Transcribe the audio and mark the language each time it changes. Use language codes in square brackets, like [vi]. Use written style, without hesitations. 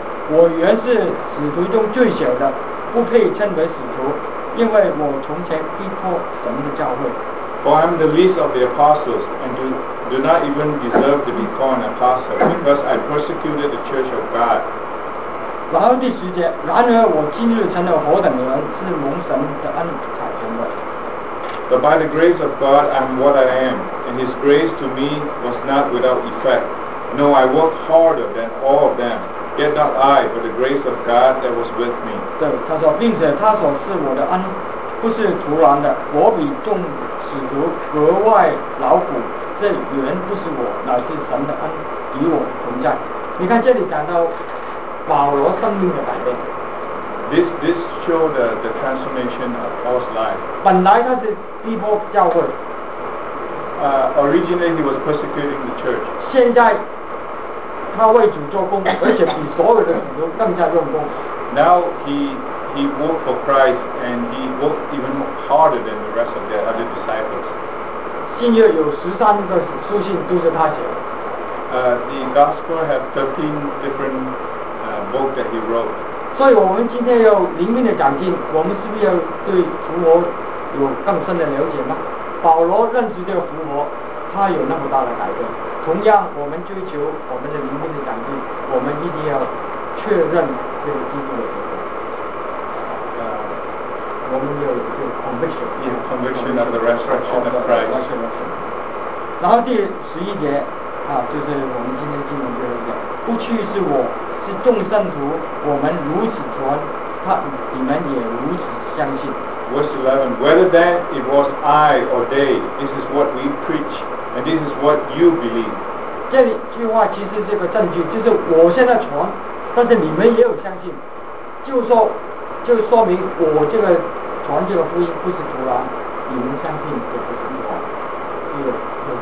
[zh] 我原是使徒中最小的，不配称为使徒，因为我从前逼迫神的教会， [en] For I am the least of the apostles, and do not even deserve to be called an apostle, because I persecuted the church of God. [zh] 然后第十节，然而我今日成了何等人，是蒙神的恩产生的。 [en] But by the grace of God, I am what I am, and His grace to me was not without effect. No, I worked harder than all of them, yet not I, but the grace of God that was with me. [zh] 对，他说，并且他所赐我的恩不是徒然的，我比众使徒格外劳苦，这原不是我，乃是神的恩与我同在。你看这里讲到保罗生命的改变。 [en] This showed the transformation of Paul's life. [zh] 本来他是逼迫教会。 [en] Originally he was persecuting the church. [zh] 现在他为主做工，而且比所有的使徒更加用功。 [en] Now he worked for Christ and he worked even harder than the rest of the other disciples. [zh] 新约有十三个书信都是他写的。 [en] The Gospel have 13 different books that he wrote. [zh] 所以我们今天有灵命的长进，我们是不是要对复活有更深的了解呢？保罗认识这个复活，他有那么大的改变。同样，我们追求我们的灵命的长进，我们一定要确认这个基督的复活。我们有一个 conviction [en] of the resurrection of Christ。 [zh] 然后第十一节啊，就是我们今天经文最后一节，不去是我。是众圣徒，我们如此传，他你们也如此相信。 [en] Verse 11. Whether that it was I or they, this is what we preach, and this is what you believe. [zh] 这里句话其实这个证据就是我现在传，但是你们也有相信，就说明我这个传这个福音不是徒然，你们相信也不是徒然。